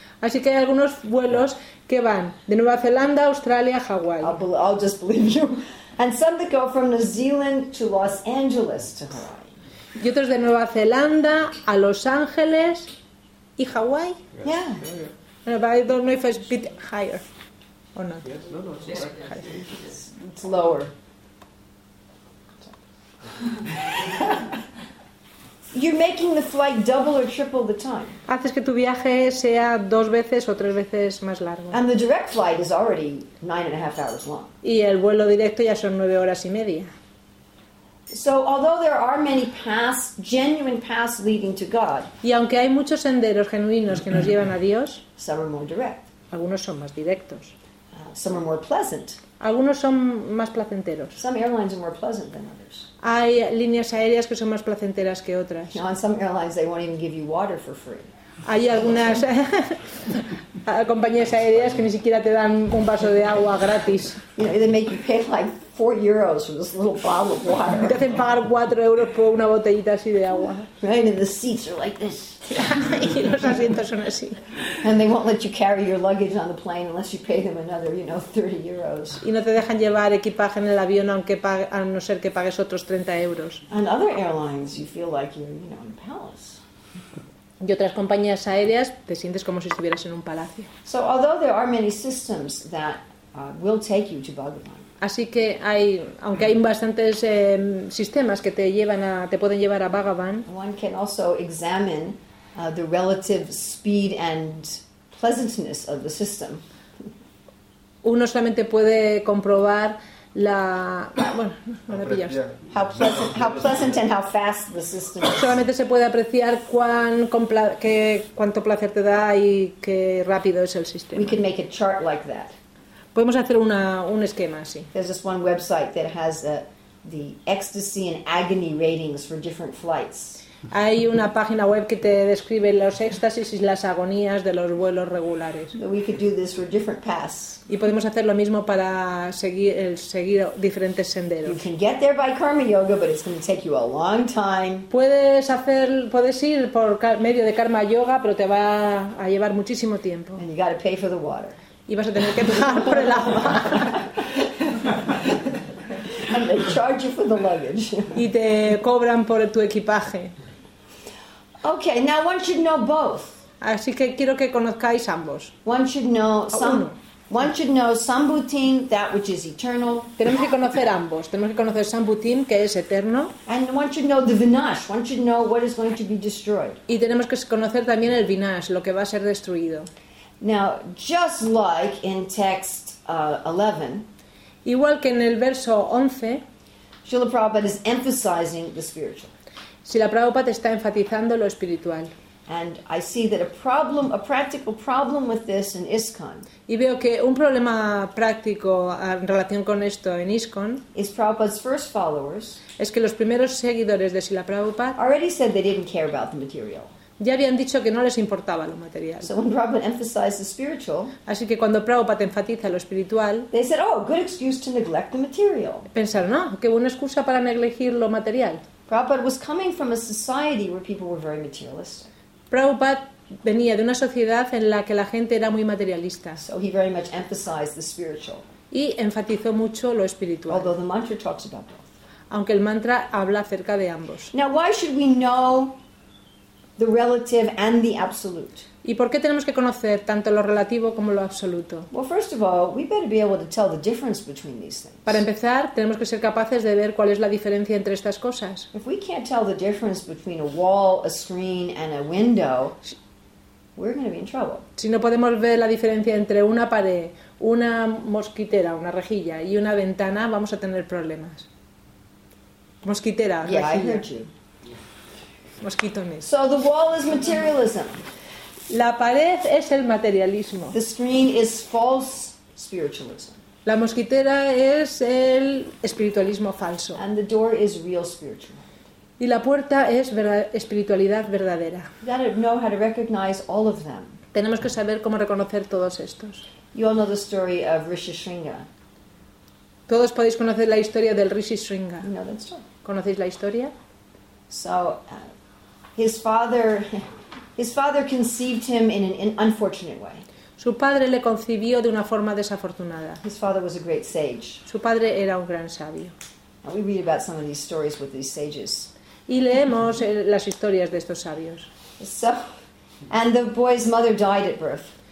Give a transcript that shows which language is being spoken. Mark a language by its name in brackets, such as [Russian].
[Spanish] Así que hay algunos vuelos que van de Nueva Zelanda, Australia, Hawaii. [English] I'll just believe you. And some that go from New Zealand to Los Angeles to Hawaii. [Spanish] Y otros de Nueva Zelanda a Los Ángeles y Hawaii. [English] Yeah. But I don't know if it's a bit higher or not. Yes, no, it's lower. You're making the flight double or triple the time. [Spanish] Haces que tu viaje sea dos veces o tres veces más largo. [English] And the direct flight is already 9.5 hours long. [Spanish] Y el vuelo directo ya son 9 horas y media. [English] So although there are many paths, genuine paths leading to God. [Spanish] Y aunque hay muchos senderos genuinos que nos llevan a Dios. [English] Some are more direct. [Spanish] Algunos son más directos. [English] Some are more pleasant. [Spanish] Algunos son más placenteros. [English] Some airlines are more pleasant than others. [Spanish] Hay líneas aéreas que son más placenteras que otras. [English] Now, on some airlines, they won't even give you water for free. [Spanish] Hay algunas compañías aéreas que ni siquiera te dan un vaso de agua gratis. [English] You know, they make you pay like 4 euros for this little bottle of water. [Spanish] Te hacen pagar 4 euros por una botellita así de agua. [English] Right, and the seats are like this. [Spanish] Y los asientos son así. [English] And they won't let you carry your luggage on the plane unless you pay them another, you know, 30 euros. [Spanish] Y no te dejan llevar equipaje en el avión aunque pague, a no ser que pagues otros 30 euros. [English] And other airlines, you feel like you're, you know, in a palace. [Spanish] Y otras compañías aéreas, te sientes como si estuvieras en un palacio. [English] So although there are many systems that will take you to Bhagavan. [Spanish] Así que hay, aunque hay bastantes sistemas que te llevan a, te pueden llevar a Bhagavan. [English] One can also examine the relative speed and pleasantness of the system. [Spanish] Uno solamente puede comprobar la, bueno, me pillas. [English] How pleasant and how fast the system is. [Spanish] Solamente se puede apreciar cuán cuánto placer te da y qué rápido es el sistema. [English] We can make a chart like that. [Spanish] Podemos hacer un esquema así. [English] There's this one website that has the ecstasy and agony ratings for different flights. [Spanish] Hay una página web que te describe los éxtasis y las agonías de los vuelos regulares. [English] We could do this for different paths. [Spanish] Y podemos hacer lo mismo para seguir diferentes senderos. [English] You can get there by karma yoga, but it's going to take you a long time. [Spanish] Puedes ir por medio de karma yoga, pero te va a llevar muchísimo tiempo. [English] And you got to pay for the water. [Spanish] Y vas a tener que pagar por el agua. [English] And they charge you for the luggage. [Spanish] Y te cobran por tu equipaje. [English] Okay, now one should know both. [Spanish] Así que quiero que conozcáis ambos. [English] One should know sambhutin, that which is eternal. [Spanish] Tenemos que conocer ambos. Tenemos que conocer sambhutin, que es eterno. [English] And one should know the vinash. One should know what is going to be destroyed. [Spanish] Y tenemos que conocer también el vinash, lo que va a ser destruido. [English] Now, just like in text 11, [Spanish] igual que en el verso 11, [English] Srila Prabhupada is emphasizing the spiritual. [Spanish] Srila Prabhupada está enfatizando lo espiritual. [English] And I see that a practical problem with this in ISKCON. [Spanish] Y veo que un problema práctico en relación con esto en ISKCON [English] is Prabhupada's first followers. [Spanish] Es que los primeros seguidores de Srila Prabhupada [English] already said they didn't care about the material. [Spanish] Ya habían dicho que no les importaba lo material. [English] So when Prabhupada emphasized the spiritual, [Spanish] así que cuando Prabhupada enfatiza lo espiritual, [English] they said, "Oh, good excuse to neglect the material." [Spanish] Pensaron, "Ah, qué buena excusa para negligir lo material." [English] Prabhupada was coming from a society where people were very materialistic. [Spanish] Prabhupada venía de una sociedad en la que la gente era muy materialista. [English] So he very much emphasized the spiritual. [Spanish] Y enfatizó mucho lo espiritual. [English] Although the mantra talks about both. [Spanish] Aunque el mantra habla acerca de ambos. [English] Now, why should we know the relative and the absolute? [Spanish] ¿Y por qué tenemos que conocer tanto lo relativo como lo absoluto? [English] Well, first of all, we better be able to tell the difference between these things. [Spanish] Para empezar, tenemos que ser capaces de ver cuál es la diferencia entre estas cosas. [English] If we can't tell the difference between a wall, a screen, and a window, we're going to be in trouble. [Spanish] Si no podemos ver la diferencia entre una pared, una mosquitera, una rejilla y una ventana, vamos a tener problemas. Mosquitera, [English] yeah, [Spanish] rejilla. [English] I heard you. [Spanish] Mosquitones. [English] So the wall is materialism. [Spanish] La pared es el materialismo. [English] The screen is false spiritualism. [Spanish] La mosquitera es el espiritualismo falso. [English] And the door is real spirituality. [Spanish] Y la puerta es espiritualidad verdadera. [English] You gotta know how to recognize all of them. [Spanish] Tenemos que saber cómo reconocer todos estos. [English] You all know the story of Rishi Sringa. [Spanish] Todos podéis conocer la historia del Rishi Sringa. [English] You know that story. [Spanish] ¿Conocéis la historia? [English] So his father conceived him in an unfortunate way. [Spanish] Su padre le concibió de una forma desafortunada. [English] His father was a great sage. [Spanish] Su padre era un gran sabio. [English] Now we read about some of these stories with these sages. [Spanish] Y leemos las historias de estos sabios. [English] So, and the boy's mother died at birth.